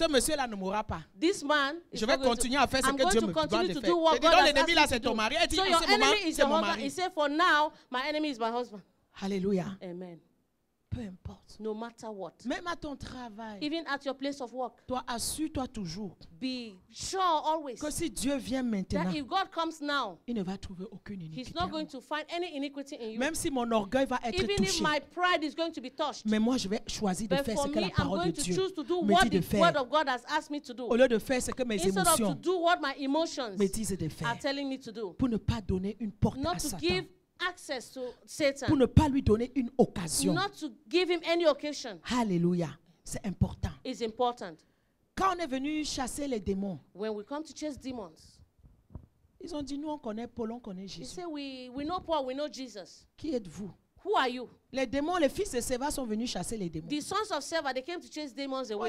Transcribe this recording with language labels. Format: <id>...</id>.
<fr>Ce monsieur-là ne mourra pas.</fr> <en>This man.</en> <fr>Je vais continuer à faire ce</fr> <en>I'm</en> <fr>que Dieu me demande de faire. Et dit, non, l'ennemi là, c'est ton mari. Elle dit,</fr> <en>so</en> <fr>non, c'est mon mari. C'est mon mari.</fr> <en>He said, for now, my enemy is my husband. Alléluia. Amen.</en> <fr>Peu importe.</fr> <en>No matter what.</en> <fr>Même à ton travail.</fr> <en>Even at your place of work.</en> <fr>Toi, assure-toi toujours.</fr> <en>Be sure always.</en> <fr>Que si Dieu vient maintenant.</fr> <en>That if God comes now.</en> <fr>Il ne va trouver aucune iniquité.</fr> <en>He's not going to find any iniquity in you.</en> <fr>Même si mon orgueil va être</fr> <en>even</en> <fr>touché.</fr> <en>Even if my pride is going to be touched.</en> <fr>Mais moi, je vais choisir de faire ce</fr> <en>me,</en> <fr>que la parole de Dieu me dit de faire.</fr> <en>Word of God has asked me to do.</en> <fr>Au lieu de faire ce que mes</fr> <en>instead</en> <fr>émotions</fr> <en>of to do what my emotions</en> <fr>me disent de faire.</fr> <en>Are telling me to do.</en> <fr>Pour ne pas donner une porte</fr> <en>not</en> <fr>à Satan.</fr> <en>Give access to Satan.</en> <fr>Pour ne pas lui donner une occasion.</fr> <en>Not to give him any occasion.</en> <fr>Hallelujah. C'est important.</fr> <en>It's important.</en> <fr>Quand on est venu chasser les démons.</fr> <en>When we come to chase demons.</en> <fr>Ils ont dit nous on connaît Paul, on connaît Jésus.</fr> <en>They say we know Paul, we know Jesus.</en> <fr>Qui êtes-vous?</fr> <en>Who are you?</en> <fr>Les démons, les fils de Séva sont venus chasser les démons.</fr> <en>The sons of Séva, they came to chase demons away.</en>